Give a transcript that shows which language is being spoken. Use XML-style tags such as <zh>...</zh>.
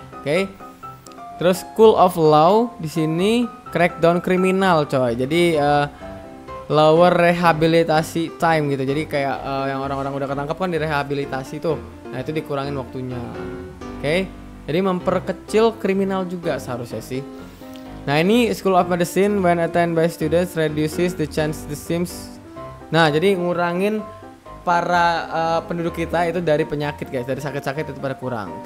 <id>Oke. Terus School of Law di sini crackdown criminal, coy. Jadi lower rehabilitasi time gitu. Jadi kayak yang orang-orang udah ketangkap kan direhabilitasi tuh. Nah, itu dikurangin waktunya. Oke. Jadi memperkecil kriminal juga seharusnya sih. Nah, ini</id> <en>School of Medicine when attended by students reduces the chance the Sims.</en> <id>Nah, jadi ngurangin para penduduk kita itu dari penyakit, guys. Dari sakit-sakit itu pada kurang, oke?</id>